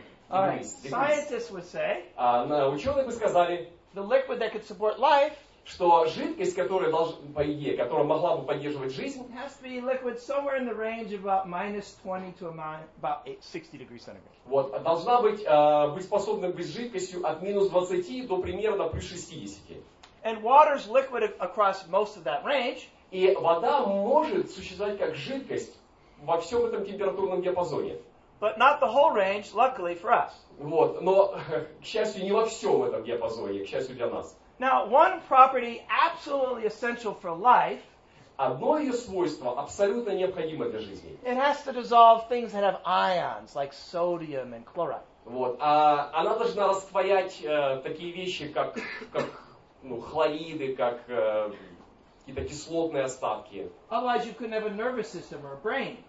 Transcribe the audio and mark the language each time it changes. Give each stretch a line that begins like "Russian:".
English: Alright, scientists would say,
Russian: ученые бы сказали,
English: the liquid that could support life,
Russian: что жидкость, которая должна, по идее, которая могла бы поддерживать жизнь,
English: it has to be liquid somewhere in the range of about minus 20 to about 60 degrees centigrade.
Russian: Вот, должна быть, быть способна быть жидкостью от минус 20 до примерно плюс 60.
English: And water is liquid across most of that range.
Russian: И вода может существовать как жидкость во всем этом температурном диапазоне.
English: But not the whole range, luckily for us.
Russian: Вот, но, к счастью, не во всем этом диапазоне, к счастью для нас.
English: Now, one property absolutely essential for life.
Russian: Одно ее свойство абсолютно необходимо для жизни.
English: It has to dissolve things that have ions, like sodium and chloride.
Russian: Вот, а она должна растворять такие вещи, как ну, хлориды, как какие-то кислотные остатки.
English: Otherwise, you couldn't have a nervous system or a brain.